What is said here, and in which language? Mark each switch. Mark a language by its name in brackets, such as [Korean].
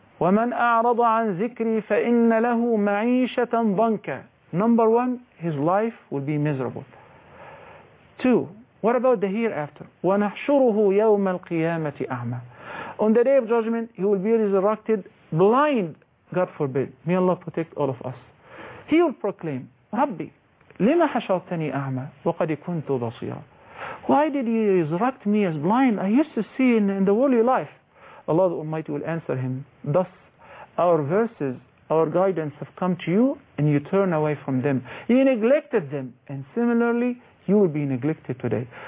[Arabic] وَمَنْ أَعْرَضَ عَنْ ذِكْرِي فَإِنَّ لَهُ مَعِيشَةً ضَنْكَ. [English] Number one, his life will be miserable. Two, what about the hereafter? [Arabic] وَنَحْشُرُهُ يَوْمَ الْقِيَامَةِ أَعْمَى. [English] On the day of judgment, he will be resurrected blind, God forbid. May Allah protect all of us. He will proclaim, [Arabic] رَبِّي لِمَ حَشَرْتَنِي أَعْمَى وَقَدْ كُنْتُ بَصِيرًا. [English] Why did you resurrect me as blind? I used to see in the worldly life. Allah the Almighty will answer him, thus our verses, our guidance have come to you and you turn away from them. You neglected them and similarly you will be neglected today.